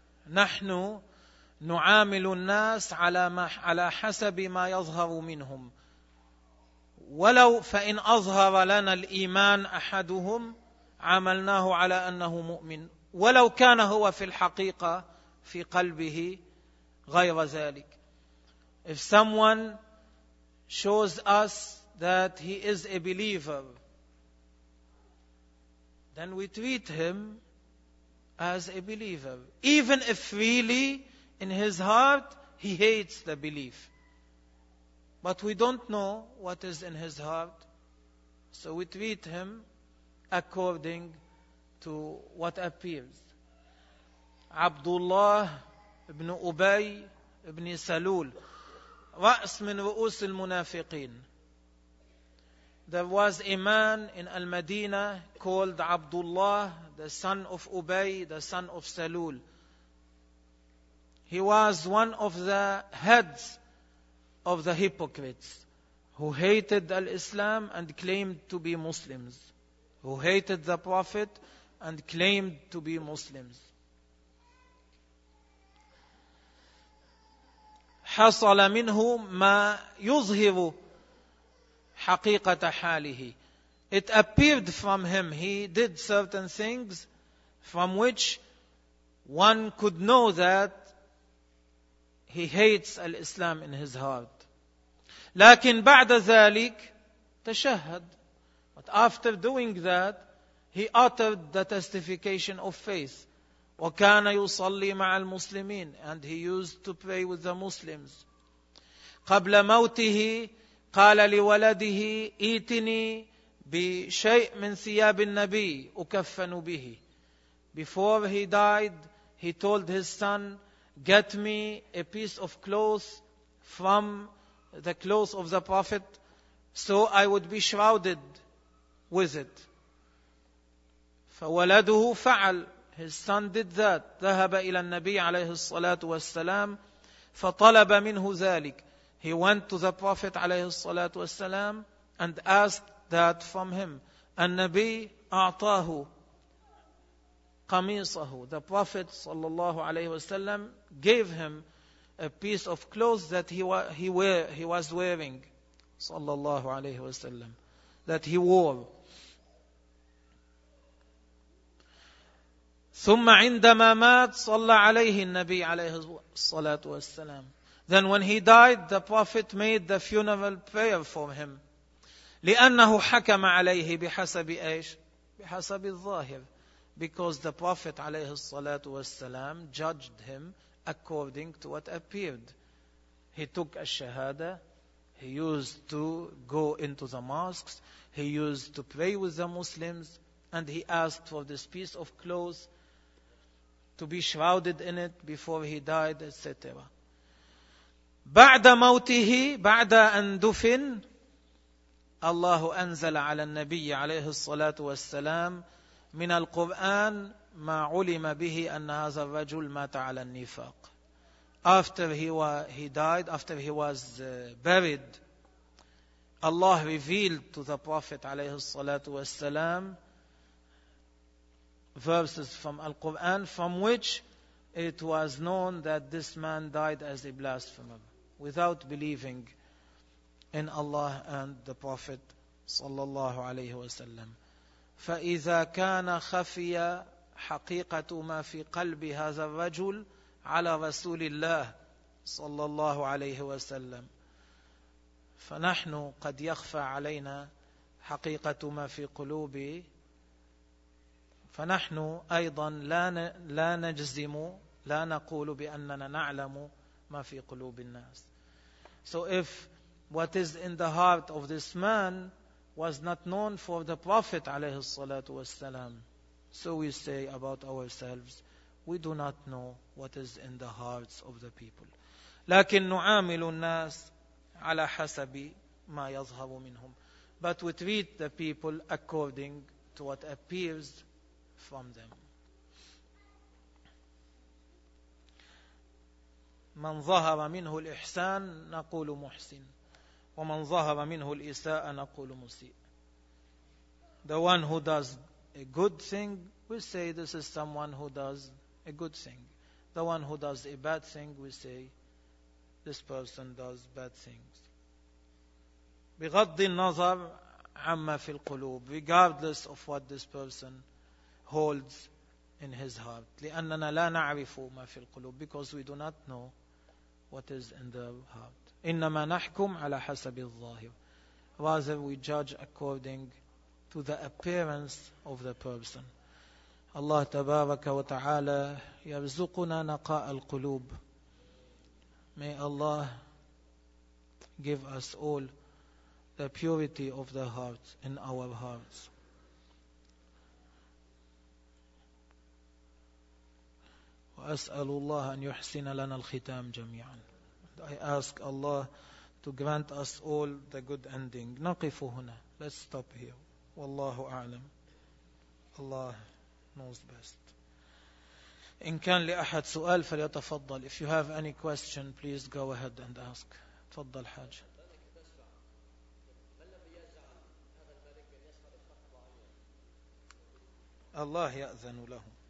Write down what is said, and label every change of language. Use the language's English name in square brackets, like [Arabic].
[Arabic] نحن نعامل الناس على ما على حسب ما يظهر منهم ولو فإن أظهر لنا الإيمان أحدهم عملناه على أنه مؤمن ولو كان هو في الحقيقة في قلبه غير ذلك. [English] If someone shows us that he is a believer, then we treat him as a believer, even if really in his heart he hates the belief. But we don't know what is in his heart, so we treat him according to what appears. [Arabic] Abdullah ibn Ubay ibn Salul, رأس من رؤوس المنافقين. [English] There was a man in Al-Madinah called Abdullah, the son of Ubay, the son of Salul. He was one of the heads of the hypocrites who hated Al-Islam and claimed to be Muslims, who hated the Prophet and claimed to be Muslims. [Arabic] حصل منه ما يظهر حقيقة حاله. [English] It appeared from him. He did certain things from which one could know that he hates Al-Islam in his heart. [Arabic] لكن بعد ذلك تشهد. [English] But after doing that, he uttered the testification of faith. [Arabic] وكان يصلي مع المسلمين. [English] And he used to pray with the Muslims. [Arabic] قبل موته قال لولده ائتني بشيء من ثياب النبي أكفن به. [English] Before he died, he told his son, get me a piece of cloth from the clothes of the Prophet so I would be shrouded with it. [Arabic] فولده فعل. [English] His son did that. [Arabic] ذهب إلى النبي عليه الصلاة والسلام فطلب منه ذلك. [English] He went to the Prophet [Arabic] عليه الصلاة والسلام [English] and asked that from him. [Arabic] النبي أعطاه قميصه. [English] The Prophet [Arabic] صلى الله عليه وسلم [English] gave him a piece of clothes that he was wearing صلى الله عليه وسلم, that he wore. [Arabic] ثم عندما مات صلى عليه النبي عليه الصلاة والسلام. [English] Then when he died, the Prophet made the funeral prayer for him. [Arabic] لأنه حكم عليه بحسب إيش؟ بحسب الظاهر. [English] Because the Prophet [Arabic] عليه الصلاة والسلام [English] judged him according to what appeared. He took الشهادة. He used to go into the mosques. He used to pray with the Muslims. And he asked for this piece of clothes to be shrouded in it before he died, etc. [Arabic] بعد موته بعد أن دفن الله أنزل على النبي عليه الصلاة والسلام من القرآن ما علم به أن هذا الرجل مات على النفاق. [English] After he died, after he was buried, Allah revealed to the Prophet [Arabic] عليه الصلاة والسلام [English] verses from Al-Quran from which it was known that this man died as a blasphemer, without believing in Allah and the Prophet [Arabic] صلى الله عليه وسلم. فإذا كان خفي حقيقة ما في قلب هذا الرجل على رسول الله صلى الله عليه وسلم, فنحن قد يخفى علينا حقيقة ما في قلوبه, فنحن أيضا لا نجزم, لا نقول بأننا نعلم ما في قلوب الناس. [English] So if what is in the heart of this man was not known for the Prophet [Arabic] عليه الصلاة والسلام, [English] so we say about ourselves, we do not know what is in the hearts of the people. [Arabic] لكن نعامل الناس على حسب ما يظهر منهم. [English] But we treat the people according to what appears from them. [Arabic] من ظهر منه الإحسان نقول محسن، ومن ظهر منه الإساءة نقول مسيء. [English] The one who does a good thing, we say this is someone who does a good thing. The one who does a bad thing, we say this person does bad things. [Arabic] بغض النظر عما في القلوب, [English] regardless of what this person holds in his heart. [Arabic] لأننا لا نعرف ما في القلوب, [English] because we do not know what is in their heart. [Arabic] إنما نحكم على حسب الظاهر. [English] Rather, we judge according to the appearance of the person. [Arabic] الله تبارك وتعالى يرزقنا نقاء القلوب. [English] May Allah give us all the purity of the heart in our hearts. [Arabic] وأسأل الله أن يحسن لنا الختام جميعا. [English] I ask Allah to grant us all the good ending. [Arabic] نقف هنا. [English] Let's stop here. [Arabic] والله أعلم. [English] Allah knows best. [Arabic] إن كان لأحد سؤال فليتفضل. [English] If you have any question, please go ahead and ask. [Arabic] تفضل حاج. الله يأذن له.